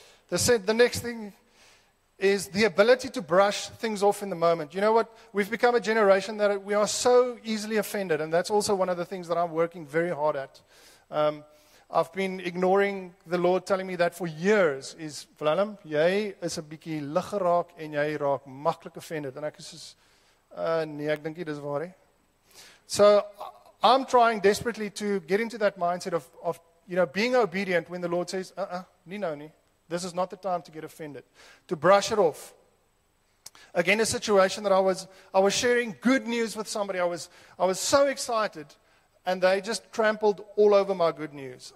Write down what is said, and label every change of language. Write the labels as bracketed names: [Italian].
[English] The next thing is the ability to brush things off in the moment. You know what? We've become a generation that we are so easily offended, and that's also one of the things that I'm working very hard at. I've been ignoring the Lord telling me that for years. [Afrikaans] Is Vlalem, jy is 'n bietjie lig geraak en jy raak maklik offended. And ek is soos, nee, ek dink nie dis waar nie. [English] So I'm trying desperately to get into that mindset of you know, being obedient when the Lord says, this is not the time to get offended. To brush it off. Again, a situation that I was sharing good news with somebody. I was so excited, and they just trampled all over my good news.